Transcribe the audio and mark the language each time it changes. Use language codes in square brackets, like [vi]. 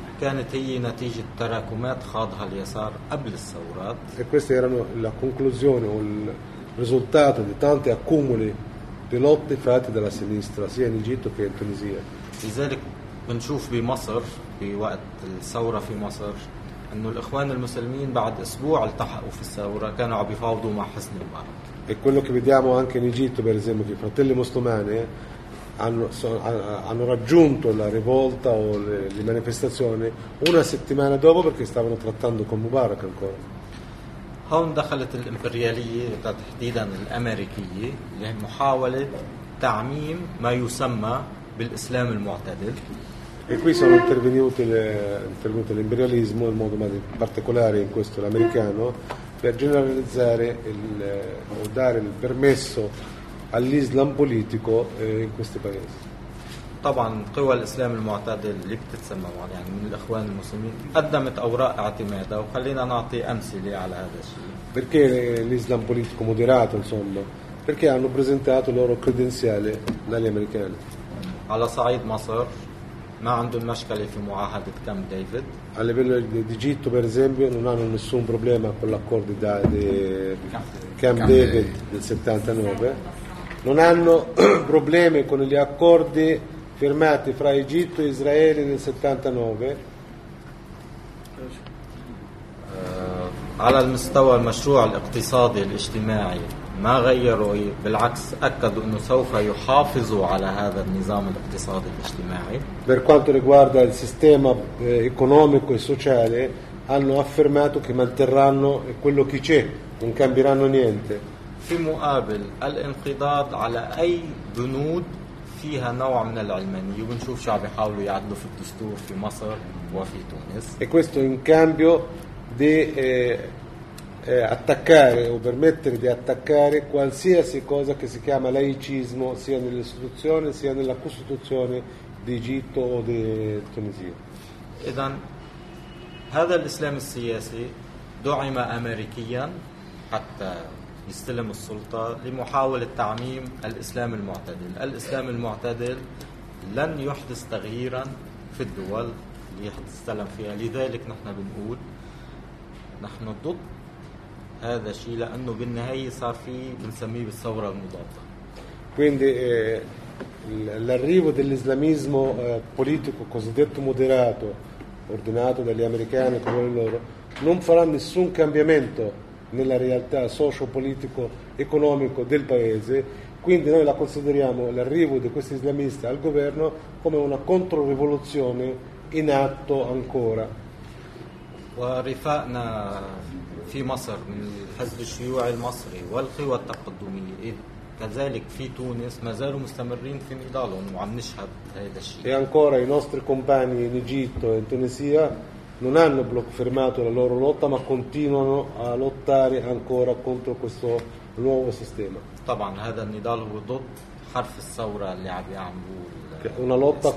[ar] كانت هي نتيجة تراكمات خاضها اليسار قبل الثورات. [it] E queste erano la conclusione o risultato di tanti accumuli di lotte fatte dalla sinistra sia in Egitto che in Tunisia. [ar] لذلك بنشوف بمصر في وقت الثورة في مصر انه الاخوان المسلمين بعد اسبوع التحقوا في الثورة، كانوا عم يفاوضوا مع حسني مبارك. [it] E quello che vediamo anche in Egitto, per esempio, che i fratelli musulmani hanno raggiunto la rivolta o le manifestazioni una settimana dopo perché stavano trattando con Mubarak ancora. [ar] هون دخلت الإمبريالية تحديداً الأمريكية لمحاولة تعميم ما يسمى بالإسلام المعتدل. [it] E qui sono intervenuto l'imperialismo in modo particolare in questo l'americano per generalizzare o dare il permesso all'Islam politico in questi paesi. [ar] طبعا قوى الإسلام المعتدل اللي بتتسمى يعني من الإخوان المسلمين قدمت أوراق اعتمادة, وخلينا نعطي أمثلة على هذا الشيء. [it] Perché l'Islam politico moderato, insomma, perché hanno presentato loro credenziale dagli americani. [ar] على صعيد مصر ما عندهم مشكلة في معاهدة كامب ديفيد. [it] A livello di Egitto, per esempio, non hanno nessun problema con l'accordo di Camp David del 79. Non hanno problemi con gli accordi firmati fra Egitto e Israele nel 79. [ar] على المستوى المشروع الاقتصادي الاجتماعي ما غيروا, بالعكس اكدوا انه سوف يحافظوا على هذا النظام الاقتصادي الاجتماعي. [it] Per quanto riguarda il sistema economico e sociale hanno affermato che manterranno quello che c'è, non cambieranno niente. [ar] في مقابل الانقضاض على اي بنود فيها نوع من العلمانية, ونشوف شعب يحاولوا يعدلوا في الدستور في مصر وفي تونس. [it] E questo in cambio di attaccare o permettere di attaccare qualsiasi cosa che si chiama laicismo sia nell'istituzione sia nella costituzione di Egitto o di Tunisia. [ar] إذن هذا الإسلام السياسي دعم أمريكيا حتى يستلم السلطة لمحاولة تعميم الإسلام المعتدل. الإسلام المعتدل لن يحدث تغييرا في الدول اللي يستلم فيها, لذلك نحن بنقول نحن ضد هذا الشيء لأنه بالنهاية صار في بنسميه بالثورة المضادة. [it] Quindi l'arrivo dell'islamismo politico cosiddetto moderato ordinato dagli americani come loro non farà nessun cambiamento nella realtà socio-politico economico del paese, quindi noi la consideriamo l'arrivo di questi islamisti al governo come una controrivoluzione in atto ancora. [ar] ورفاقنا في مصر من الحزب الشيوعي المصري والقوى التقدمية كذلك في تونس ما زالوا مستمرين في نضالهم وعم نشهد هذا الشيء. [it] E ancora i nostri compagni in Egitto e in Tunisia non hanno fermato la loro lotta ma continuano a lottare ancora contro questo nuovo sistema. [ar] طبعا هذا النضال هو ضد حرف الثورة اللي عم يعملوا.